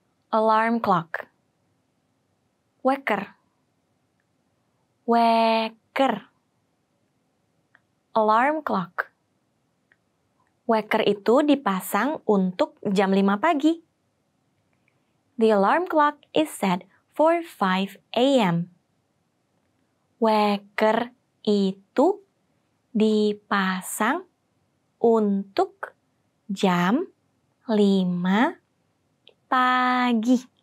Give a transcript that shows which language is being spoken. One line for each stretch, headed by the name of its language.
English: Alarm clock.
Indonesian: Waker. Waker.
English: Alarm clock.
Indonesian: Waker itu dipasang untuk jam 5 pagi.
English: The alarm clock is set for 5 a.m.
Indonesian: Waker itu dipasang untuk jam 5 pagi.